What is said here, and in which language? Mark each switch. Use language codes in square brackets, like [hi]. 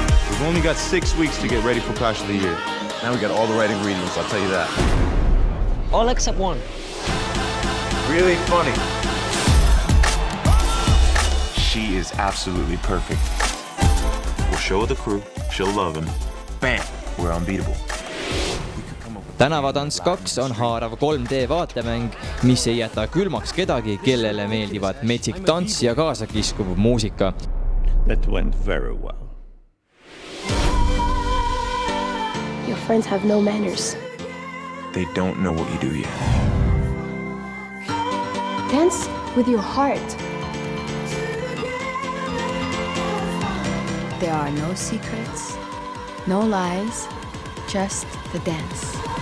[en] We've only got 6 weeks to get ready for Clash of the Year. Now we got all the right ingredients, I'll tell you that. All except one. Really funny. She is absolutely perfect. We'll show the crew, she'll love him. Bam, we're unbeatable. [et] Tänavatants 2 on haarav 3D vaatemäng, mis ei jäta külmaks kedagi, kellele meeldivad metsik tants ja kaasa kiskuv muusika. [en] That went very well. Your friends have no manners. They don't know what you do yet. Dance with your heart. There are no secrets, no lies, just the dance.